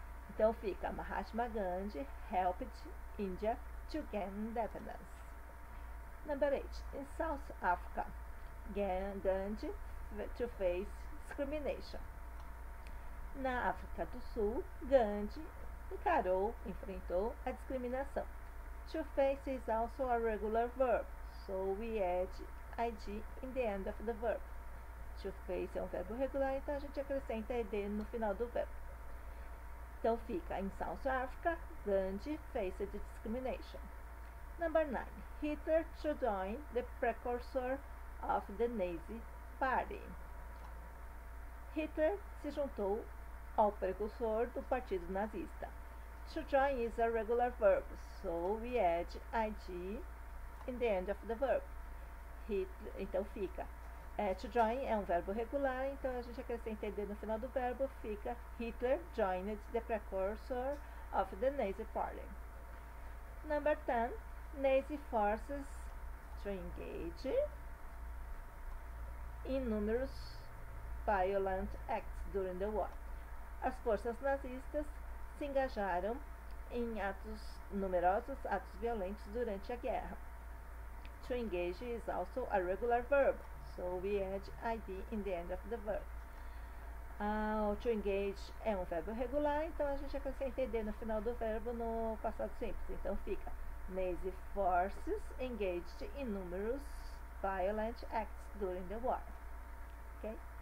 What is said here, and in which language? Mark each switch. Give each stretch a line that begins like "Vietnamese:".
Portuguese: Então, fica
English: Mahatma Gandhi helped India to gain independence. Number 8. In South Africa, Gandhi to face discrimination.
Portuguese: Na África do Sul, Gandhi encarou, enfrentou a discriminação.
English: To face is also a regular verb, so we add ID in the end of the verb.
Portuguese: To face é um verbo regular, então a gente acrescenta ED no final do verbo. Então fica,
English: in South Africa, Gandhi faced discrimination. Number 9. Hitler to join the precursor of the Nazi Party.
Portuguese: Hitler se juntou ao precursor do partido nazista.
English: To join is a regular verb, so we add ing in the end of the verb.
Portuguese: Hitler, então fica, to join é um verbo regular, então a gente acrescenta ed no final do verbo, fica
English: Hitler joined the precursor of the Nazi Party. Number 10, Nazi forces to engage in numerous violent acts during the war.
Portuguese: As forças nazistas se engajaram em atos numerosos, atos violentos durante a guerra.
English: To engage is also a regular verb, so we add ID in the end of the verb.
Portuguese: To engage é um verbo regular, então a gente acrescenta ED no final do verbo no passado simples. Então fica,
English: Nazi forces engaged in numerous violent acts during the war. Okay?